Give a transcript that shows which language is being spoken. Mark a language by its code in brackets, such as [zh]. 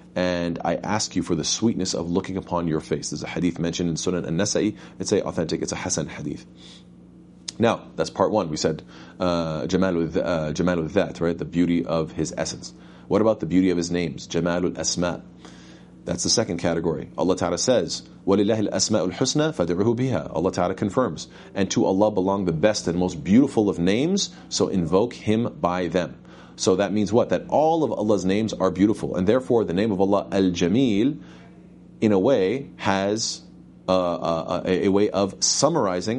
[en] And I ask you for the sweetness of looking upon your face. There's a hadith mentioned in Sunan An-Nasa'i. It's a authentic, it's a Hasan hadith. Now, that's part one. We said Jamalul Dhat, right? The beauty of his essence. What about the beauty of his names? Jamalul Asma. That's the second category. Allah Ta'ala says, [ar] وَلِلَّهِ الْأَسْمَاءُ الْحُسْنَى فَدِعُهُ بِهَا. [en] Allah Ta'ala confirms. And to Allah belong the best and most beautiful of names, so invoke Him by them. So that means what? That all of Allah's names are beautiful. And therefore, the name of Allah, Al-Jamil, in a way, has a way of summarizing.